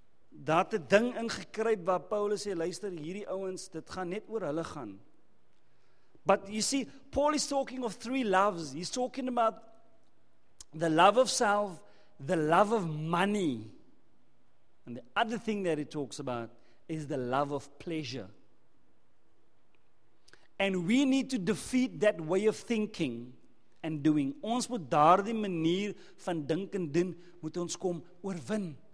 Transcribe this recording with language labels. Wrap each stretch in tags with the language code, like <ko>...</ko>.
<af>Daar het 'n ding ingekruip waar Paulus sê, luister, hierdie ouens, dit gaan net oor hulle gaan.</af> <en>But you see, Paul is talking of three loves. He's talking about the love of self, the love of money, and the other thing that he talks about is the love of pleasure. And we need to defeat that way of thinking and doing.</en> <af>Ons moet daardie manier van dink en doen, moet ons kom oorwin.</af>